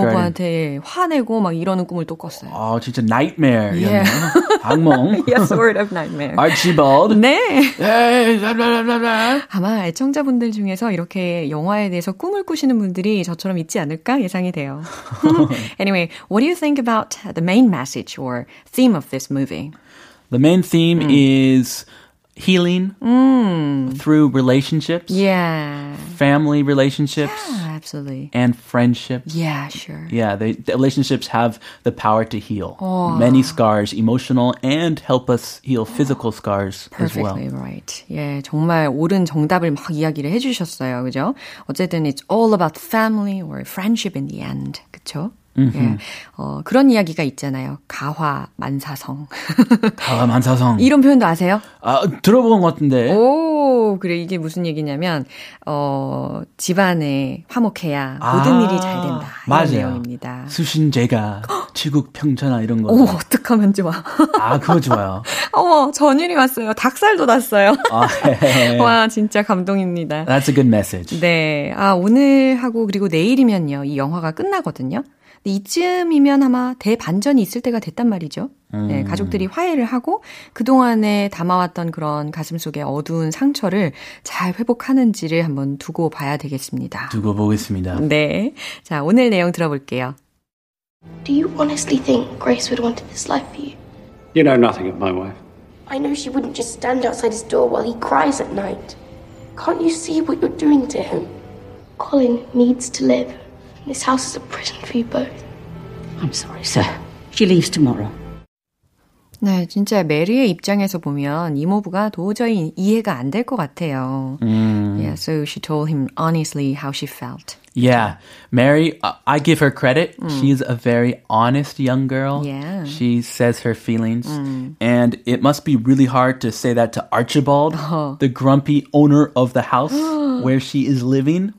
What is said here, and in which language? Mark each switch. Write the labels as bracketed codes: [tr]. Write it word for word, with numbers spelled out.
[ko] 이모부한테 화내고 막 이러는 꿈을 또 꿨어요. 아, 진짜 [en] nightmare. Yeah. [ko] 악몽. [en] Yes, sort of nightmare. Archibald. [ko] 네. [en] Hey, blah, blah, blah, blah. [ko] 아마 애청자분들 중에서 이렇게 영화에 대해서 꿈을 꾸시는 분들이 저처럼 있지 않을까 예상이 돼요. [en] Anyway, what do you think about the main message or theme of this movie? The main theme mm. is... healing mm. through relationships. Yeah. Family relationships. Yeah, absolutely. And friendships. Yeah, sure. Yeah, they, the relationships have the power to heal. Oh. Many scars, emotional, and help us heal physical scars as well. Perfectly right. [ko] 예, 정말 옳은 정답을 막 이야기를 해주셨어요. 그죠? 어쨌든 [en] it's all about family or friendship in the end. [ko] 그쵸? Mm-hmm. 예, 어, 그런 이야기가 있잖아요. 가화만사성. 가화만사성. 이런 표현도 아세요? 아, 들어본 것 같은데. 오, 그래. 이게 무슨 얘기냐면 어, 집안에 화목해야 아, 모든 일이 잘 된다. 맞아요. 이런 내용입니다. 수신제가 지국평천하 이런 거. 오, 어떡하면 좋아. 아, 그거 좋아요. 어머, 전율이 왔어요. 닭살도 났어요. 아, 와, 진짜 감동입니다. [en] That's a good message. [ko] 네. 아, 오늘하고 그리고 내일이면요. 이 영화가 끝나거든요. 이쯤이면 아마 대반전이 있을 때가 됐단 말이죠. 음. 네, 가족들이 화해를 하고 그동안에 담아왔던 그런 가슴 속의 어두운 상처를 잘 회복하는지를 한번 두고 봐야 되겠습니다. 두고 보겠습니다. 네, 자 오늘 내용 들어볼게요. [en] Do you honestly think Grace would want this life for you? You know nothing of my wife. I know she wouldn't just stand outside his door while he cries at night. Can't you see what you're doing to him? Colin needs to live. This house is a prison for you both. I'm sorry, sir. She leaves tomorrow. [ko] 네, 진짜 메리의 입장에서 보면 이모부가 도저히 이해가 안 될 것 같아요. 음. [en] Yeah, so she told him honestly how she felt. Yeah, Mary, uh, I give her credit. Mm. She's a very honest young girl. Yeah. She says her feelings. Mm. And it must be really hard to say that to Archibald, Oh. the grumpy owner of the house where she is living.